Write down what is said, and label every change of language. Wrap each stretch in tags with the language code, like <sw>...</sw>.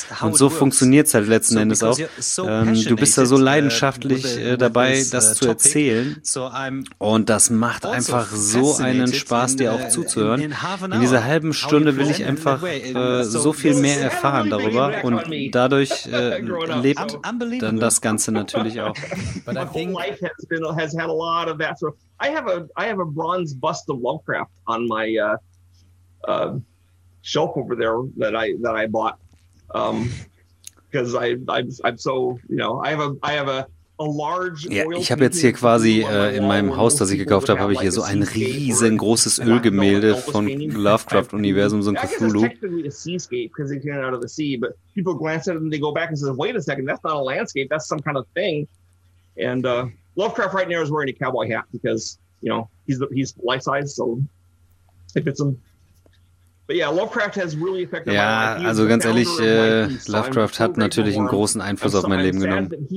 <de>Und so funktioniert es halt letzten Endes auch. Du bist da so leidenschaftlich dabei, das zu erzählen. Und das macht einfach so einen Spaß, dir auch zuzuhören. In dieser halben Stunde will ich einfach so viel mehr erfahren darüber. Und dadurch lebt dann das Ganze natürlich auch.</de> <en>But my whole life has had a lot of that. So I have a bronze bust of Lovecraft on my shelf over there that I bought because I'm so, you know, I have a large</en> <de>oil. Ja, ich habe jetzt hier quasi in meinem Haus, das ich gekauft habe, habe ich hier so ein riesengroßes Ölgemälde von Lovecraft Universum, so ein Cthulhu.</de> <en>Seascape because it came out of the sea, but people glance at it and they go back and say, wait a second, that's not a landscape, that's some kind of thing. And Lovecraft right now is wearing a cowboy hat because, you know, he's life size, so it fits him. But yeah, Lovecraft has really affected</en> <de>ja, also ganz ehrlich, Lovecraft hat natürlich einen großen Einfluss auf mein Leben genommen.</de>